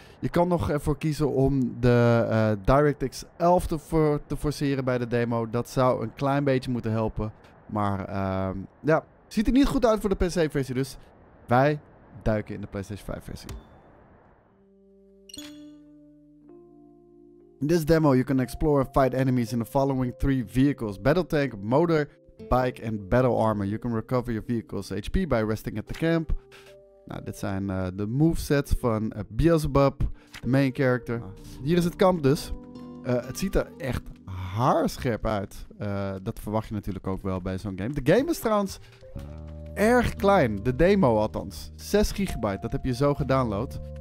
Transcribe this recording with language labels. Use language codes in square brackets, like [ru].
[nl] Je kan nog ervoor kiezen om de DirectX 11 te forceren bij de demo. Dat zou een klein beetje moeten helpen. Maar ziet er niet goed uit voor de PC versie. Dus wij duiken in de PlayStation 5 versie. [en] In this demo, you can explore and fight enemies in the following three vehicles. Battle tank, motor, bike and battle armor. You can recover your vehicle's HP by resting at the camp. [nl] Nou, dit zijn de movesets van Beelzebub, de main character. Hier is het kamp dus. Het ziet er echt haarscherp uit. Dat verwacht je natuurlijk ook wel bij zo'n game. De game is trouwens erg klein. De demo althans. 6 gigabyte, dat heb je zo gedownload.